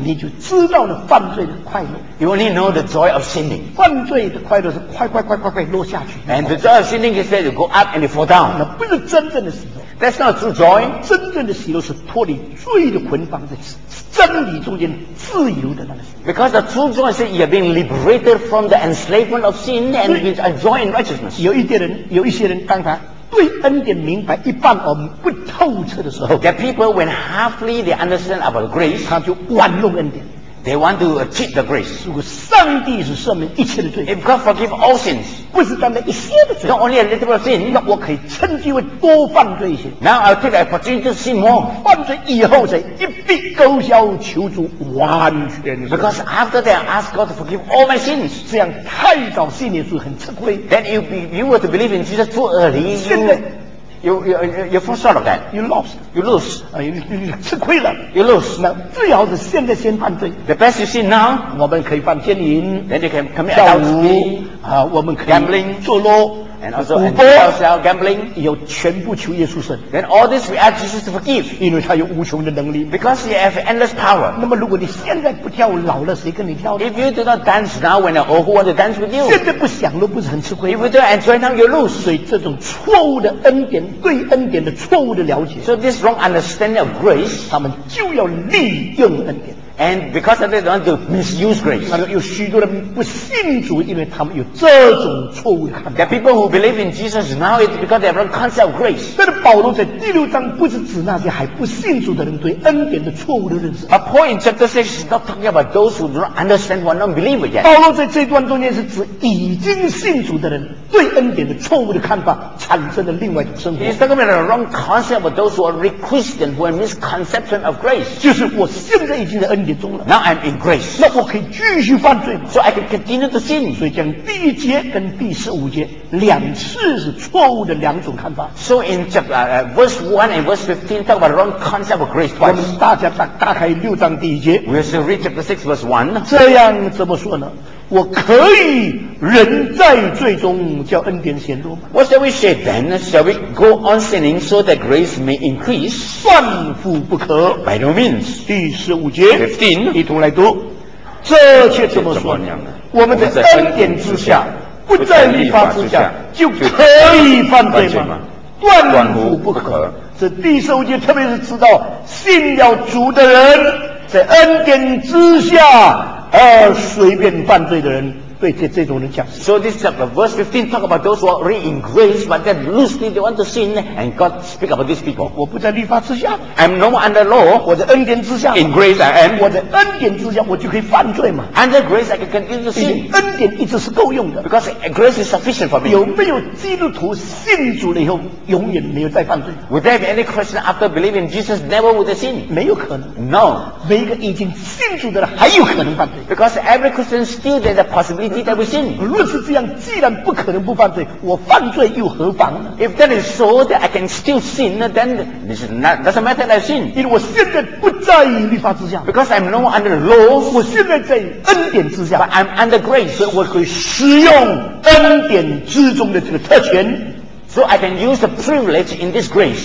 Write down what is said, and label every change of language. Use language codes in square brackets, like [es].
[zh] 你就知道了犯罪的快乐。 [en] You only know the joy of sinning. [zh] 犯罪的快乐是快落下去。 [en] And the joy of sinning is that you go up and you fall down. [zh] 那不是真正的喜乐。 [en] That's not true joy. [zh] 真正的喜乐是脱离罪的捆绑的真理中间自由的那个喜乐。 [en] Because the true joy is that you have been liberated from the enslavement of sin and you enjoy in righteousness. [zh] 有一些人当他对恩典明白一半而不透彻的时候 [en] ，the people when halfly they understand about grace， [zh] 他就玩弄恩典。 [en] They want to cheat the grace. [zh] 如果上帝是赦免一切的罪 [en] ，If God forgive all sins， [zh] 不是单单一些的罪 [en] ，Not only a little bit of sin， [zh] 那我可以趁机会多犯罪一些。 [en] Now I'll take the opportunity to sin more. [zh] 犯罪以后才一笔勾销，求主完全。 [en] Because after that, I ask God to forgive all my sins. [zh] 这样太早信耶稣很吃亏。 [en] Then if you were to believe in Jesus too early, [zh] 现在 [en] you fall short of that. You lost. You lose. [zh] 你吃亏了。 [en] You lose. [zh] 那最好是现在先犯罪。 [en] The best you see now. [zh] 我们可以犯奸淫。 [en] Then you can commit adultery. [zh] 我们可以 [en] gambling [zh] 作乱。 [en] And also, and gambling, [zh] 有全部求耶稣神。 [en] Then all this we ask Jesus to forgive, [zh] 因为他有无穷的能力。 [en] Because he has endless power. [zh] 那么如果你现在不跳舞，老了谁跟你跳呢？ [en] If you do not dance now, when you're old, who wants to dance with you? [zh] 现在不享乐不是很吃亏吗？ [en] If you don't enjoy now, you lose. [zh] 所以这种错误的恩典，对恩典的错误的了解。 [en] So this wrong understanding of grace, [zh] 他们就要利用恩典。 [en] And because of that, they want to misuse grace. [zh] 他说有许多人不信主，因为他们有这种错误的看法。 [en] The people who believe in Jesus now is because they have wrong concept of grace. [zh] 但是保罗在第六章不是指那些还不信主的人对恩典的错误的认识。 [en] But Paul in chapter 6 is not talking about those who do not understand or not believe yet. [zh] 保罗在这段中间是指已经信主的人对恩典的错误的看法产生了另外一种生活。 [en] He's talking about a wrong concept of those who are already Christian who have misconception of grace. [zh] 就是我现在已经的恩典。 [en] Now I'm in grace. [zh] 那我可以继续犯罪吗？ [en] So I can continue to sin. [zh] 所以讲第一节跟第十五节两次是错误的两种看法。 [en] So in verse 1 and verse 15 talk about the wrong concept of grace twice. [zh] 我们大家打开六章第一节。 [en] We shall read chapter 6 verse 1. [zh] 这样怎么说呢？我可以人在罪中叫恩典显多吗？ [en] What shall we say then? Shall we go on sinning so that grace may increase? [zh] 断乎不可。 [en] By no means. [zh] 第十五节。 [en] 15. [zh] 一同来读。这却怎么说？我们在恩典之下，不在律法之下，就可以犯罪吗？断乎不可。这第十五节特别是知道信了主的人在恩典之下而随便犯罪的人，对这种人讲。 [en] So this chapter, verse 15, talk about those who are already in grace, but then loosely they want to sin, and God speak about these people. [zh] 我不在律法之下。 [en] I'm no more under law. [zh] 我在恩典之下。 [en] In grace, I am. [zh] 我在恩典之下，我就可以犯罪嘛。 [en] Under grace, I can continue to sin. [zh] 恩典一直是够用的。 [en] Because grace is sufficient for me. [zh] 有没有基督徒信主了以后，永远没有再犯罪？ [en] Would there be any Christian after believing Jesus never would sin? [zh] 没有可能。 [en] No. [zh] 每一个已经信主的人还有可能犯罪。 [en] Because every Christian still there's a possibility. [zh] 如此这样，既然不可能不犯罪，我犯罪又何妨呢？ [en] If that is so, that I can still sin, then this is not doesn't matter that I sin. [zh] 因为我现在不在律法之下。 [en] Because I'm no under the law. [zh] 我现在在恩典之下。 [en] But I'm under grace. [zh] 所以我可以使用恩典之中的这个特权。 [en] So I can use the privilege in this grace.